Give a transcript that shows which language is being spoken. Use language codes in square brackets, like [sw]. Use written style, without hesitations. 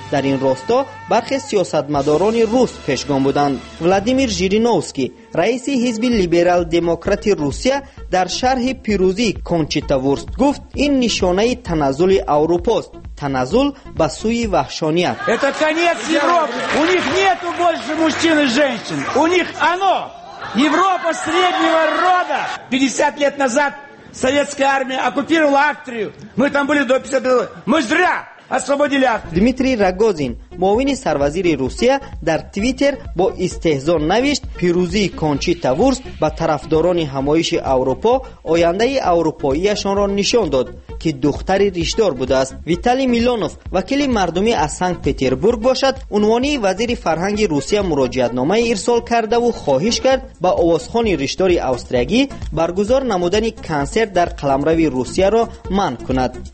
[fa] در این راستا برخی سیاستمداران روس پیشگام بودند. ولادیمیر ژیرینوفسکی رئیس حزب لیبرال دموکرات روسیه در شرح پیروزی کانچیتا وورست گفت این نشانه تنزل اروپا است، تنزل به سوی وحشانیت. [ru] Это конец Европы. У них нету больше мужчин и женщин. У них оно. Европа среднего рода. 50 лет назад советская армия оккупировала Австрию. Мы там были до 50. Мы зря освободили Австрию. [fa] Дмитрий Рогозин, معاون سروزیر روسیه در تویتر با استهزا نوشت پیروزی کانچیتا وورست به طرفداران همایش اروپا آینده اروپاییشان را نشان داد که دختر ریشدار بوده است. ویتالی میلونوف وکیل مردمی از سنگ پیتربورگ باشد عنوانی وزیر فرهنگ روسیه مراجعت نامه ارسال کرده و خواهش کرد با آوازخوان ریشدار استریایی برگزار نمودن کنسرت در قلمرو روسیه را منع کند.